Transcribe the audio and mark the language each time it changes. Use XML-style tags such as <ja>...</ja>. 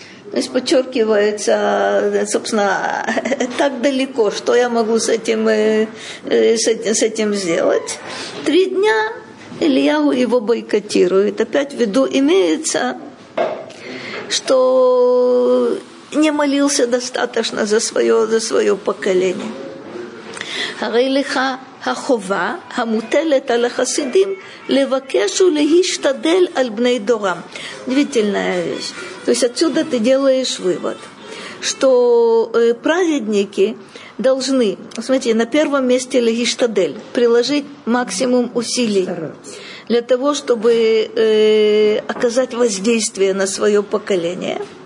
<ru>То есть подчеркивается, собственно, так далеко, что я могу с этим сделать. Три дня Элияху его бойкотирует. Опять в виду имеется, что не молился достаточно за свое поколение.</ru> <he>הרי לך החובה המוטלת על החסידים לבקש ולהשתדל על בני דורם.</he> <ru>Удивительная вещь. То есть отсюда ты делаешь вывод, что праведники должны, смотрите, на первом месте лехиштадель, приложить максимум усилий для того, чтобы оказать воздействие на свое поколение.</ru>